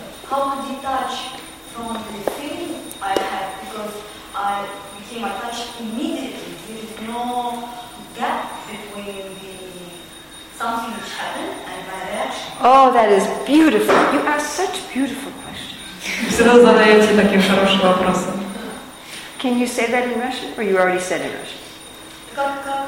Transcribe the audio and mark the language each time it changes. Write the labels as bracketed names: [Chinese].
[English] How to detach from the feeling I had, because I became attached immediately. There is no gap between the something which happened and my reaction. Oh, that is beautiful. You ask such beautiful questions. [Russian] Всегда задаете такие хорошие вопросы. [English] Can you say that in Russian, or you already said in Russian?